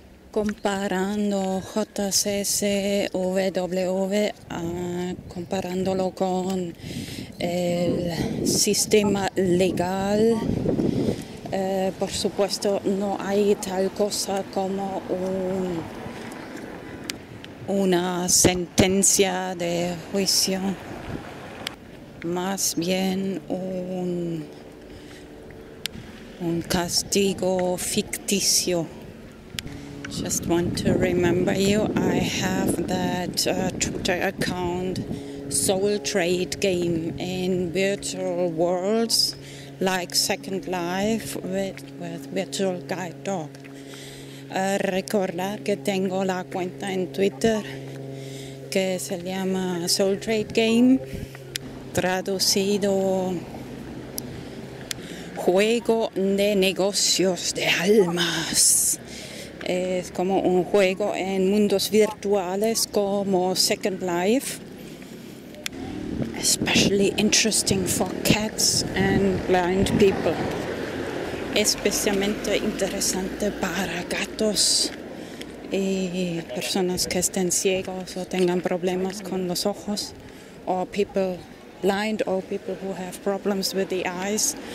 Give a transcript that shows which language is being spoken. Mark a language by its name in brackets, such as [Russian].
[Spanish] Comparando JCCVW, comparándolo con el sistema legal, por supuesto no hay tal cosa como una sentencia de juicio, más bien un castigo ficticio. [English] Just want to remember you, I have that Twitter account Soul Trade Game in virtual worlds like Second Life with Virtual Guide Dog. [Spanish] Recordar que tengo la cuenta en Twitter que se llama Soul Trade Game, traducido Juego de Negocios de Almas. Es como un juego en mundos virtuales como Second Life. [English] Especially interesting for cats and blind people. [Spanish] Especialmente interesante para gatos y personas que estén ciegos o tengan problemas con los ojos. [English] Or people blind or people who have problems with the eyes.